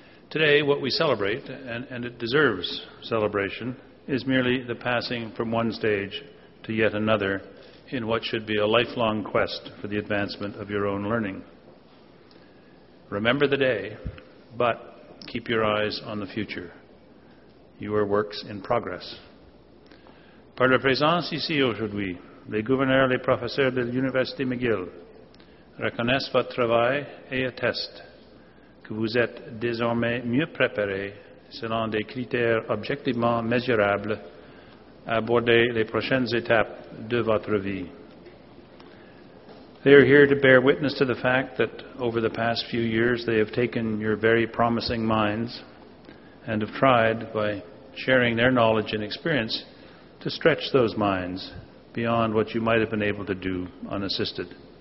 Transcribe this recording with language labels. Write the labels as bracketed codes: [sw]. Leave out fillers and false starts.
[en] Today, what we celebrate, and it deserves celebration, is merely the passing from one stage to yet another in what should be a lifelong quest for the advancement of your own learning. Remember the day, but keep your eyes on the future. You are works in progress. [fr] Par la présence ici aujourd'hui, les gouverneurs, les professeurs de l'Université McGill reconnaissent votre travail et attestent que vous êtes désormais mieux préparé selon des critères objectivement mesurables à aborder les prochaines étapes de votre vie. [en] They are here to bear witness to the fact that over the past few years they have taken your very promising minds and have tried, by sharing their knowledge and experience, to stretch those minds beyond what you might have been able to do unassisted.